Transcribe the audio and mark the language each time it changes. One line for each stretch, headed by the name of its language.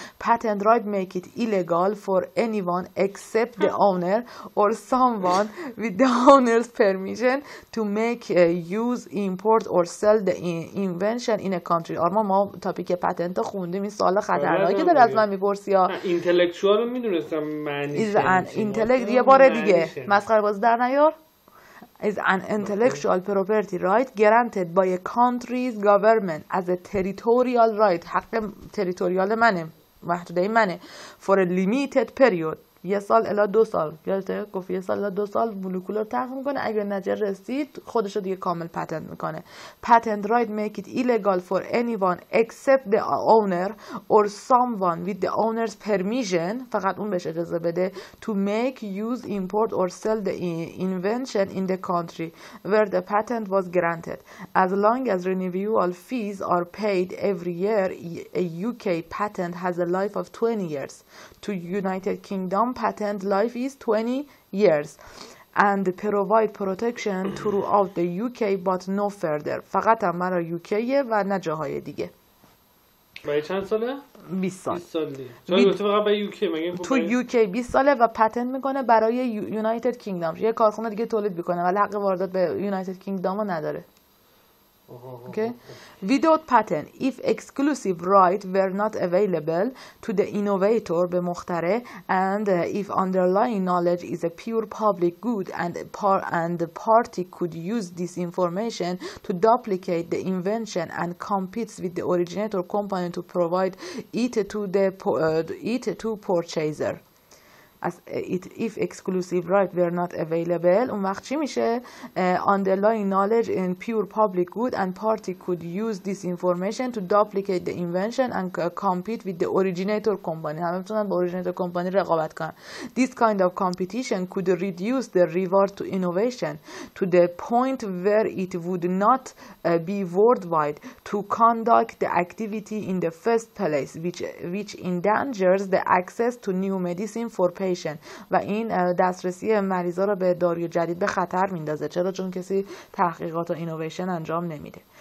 English: Patent right make it illegal for anyone except the owner or someone with the owner's permission to make use, import or sell the invention in a country.
Persian: آرمان، ما تاپیک پتنت رو خوندیم، این سوال خطرناکی داره از من میپرسی. اینتלקچوال رو میدونستم معنیش، یه بار دیگه مسخره باز در نیار.
English: Is an intellectual property right granted by a country's government as a territorial right.
Persian: حق تریتوریال منه، محدوده منه.
English: For a limited period.
Persian: یه سال الا دو سال. یادته گفت یه سال الا دو سال مولکول رو تحقیق میکنه، اگر نتیجه رسید خودش رو دیگه کامل پتنت میکنه.
English: Patent right make it illegal for anyone except the owner or someone with the owner's permission،
Persian: فقط اون بهش اجازه بده،
English: to make use import or sell the invention in the country where the patent was granted. As long as renewal fees are paid every year, a UK patent has a life of 20 years. To United Kingdom patent life is 20 years and provide protection throughout the UK but no further.
Persian: فقط هم برای UK و نه جاهای دیگه. برای چند ساله؟ 20 سال. 20 سال. چون فقط برای UK مگه؟ تو UK 20 ساله و پتنت میکنه برای United Kingdom. یه کارخونه دیگه تولید میکنه ولی حق واردات به United Kingdom رو نداره.
English: Okay. Without patent, if exclusive right were not available to the innovator
Persian: به مخترع
English: and if underlying knowledge is a pure public good and the party could use this information to duplicate the invention and competes with the originator company to provide it to the purchaser. As it, if exclusive right were not available
Persian: اون وقت چی میشه؟
English: Underlying knowledge in pure public good and party could use this information to duplicate the invention and compete with the originator company.
Persian: همه میتونن با originator company رقابت کنن.
English: This kind of competition could reduce the reward to innovation to the point where it would not be worthwhile to conduct the activity in the first place which endangers the access to new medicine for patients.
Persian: پیشن و این دسترسی مریضا رو به داروی جدید به خطر میندازه. چرا؟ چون کسی تحقیقات و اینویشن انجام نمیده.